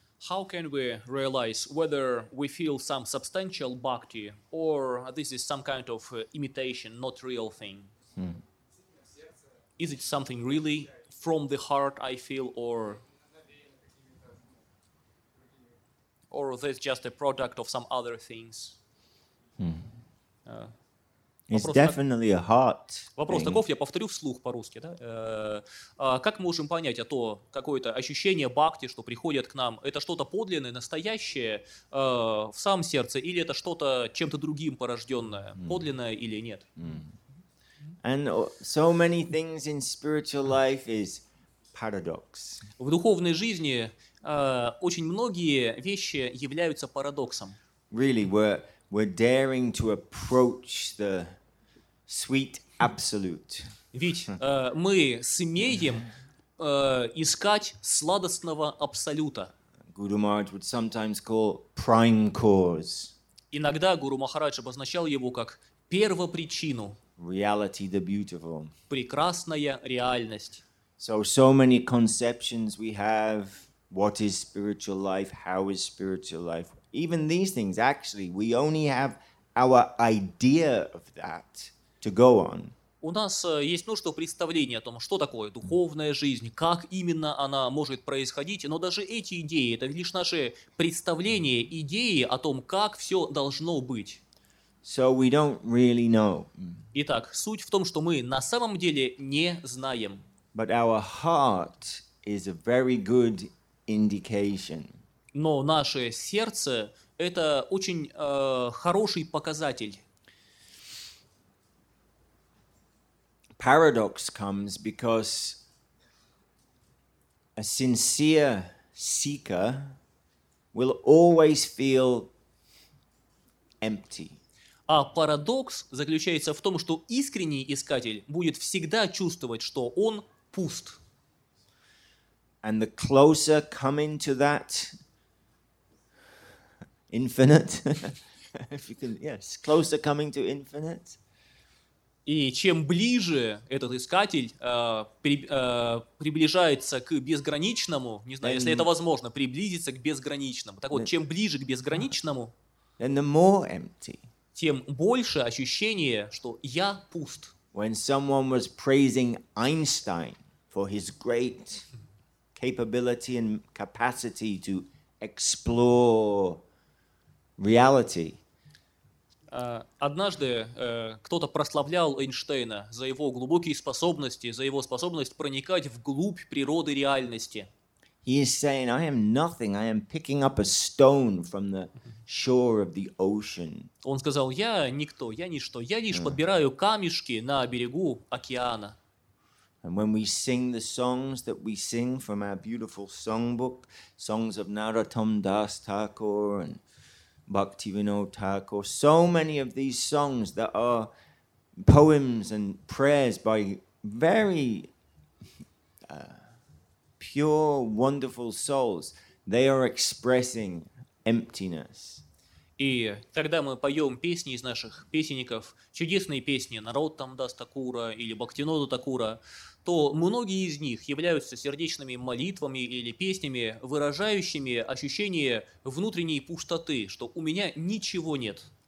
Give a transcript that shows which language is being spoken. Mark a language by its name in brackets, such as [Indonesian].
[English] How can we realize whether we feel some substantial bhakti or this is some kind of imitation, not real thing? Is it something really from the heart I feel or that's just a product of some other things? It's definitely a heart. [Russian] Вопрос таков, я повторю вслух по-русски, да? Как мы можем понять, а то какое-то ощущение бхакти, что приходит к нам, это что-то подлинное, настоящее в самом сердце, или это что-то чем-то другим порожденное, подлинное или нет? [English] And so many things in spiritual life is paradox. [Russian] В духовной жизни очень многие вещи являются парадоксом. [English] Really, we're daring to approach the sweet absolute. [Russian] Ведь мы смеем искать сладостного абсолюта. [English] Guru Maharaj would sometimes call prime cause. [Russian] Иногда Гуру Махарадж обозначал его как первопричину. [English] reality, the beautiful. [Russian] Прекрасная реальность. [English] So many conceptions we have. What is spiritual life? How is spiritual life? Even these things, actually, we only have our idea of that to go on. [Russian] У нас есть множество представлений о том, что такое духовная жизнь, как именно она может происходить, но даже эти идеи, это лишь наши представления, идеи о том, как все должно быть. [English] So we don't really know. [Russian] Итак, суть в том, что мы на самом деле не знаем. [English] But our heart is a very good indication. [Russian] Но наше сердце – это очень хороший показатель. [English] Paradox comes because a sincere seeker will always feel empty. [Russian] А парадокс заключается в том, что искренний искатель будет всегда чувствовать, что он пуст. [English] And the closer coming to that infinite, if you can, yes, closer coming to infinite. [Russian] И чем ближе этот искатель приближается к безграничному, не знаю, если это возможно, приблизиться к безграничному. Так вот, чем ближе к безграничному, [English] then the more empty. [Russian] Тем больше ощущение, что я пуст. [English] When someone was praising Einstein for his great capability and capacity to explore reality. [Russian] Однажды кто-то прославлял Эйнштейна за его глубокие способности, за его способность проникать вглубь природы реальности. [English] He is saying, "I am nothing. I am picking up a stone from the shore of the ocean." [Russian] Он сказал: "Я никто, я ничто. Я лишь подбираю камешки на берегу океана." [English] And when we sing the songs that we sing from our beautiful songbook, songs of Narottam Das Thakur and Bhaktivinoda Thakur, so many of these songs that are poems and prayers by very pure, wonderful souls, they are expressing emptiness. [Russian] И когда мы поем песни из наших песенников, чудесные песни Narottam Das Thakura или Bhaktivinoda Thakura, то многие из них являются сердечными молитвами или песнями, выражающими ощущение внутренней пустоты, что у меня ничего нет.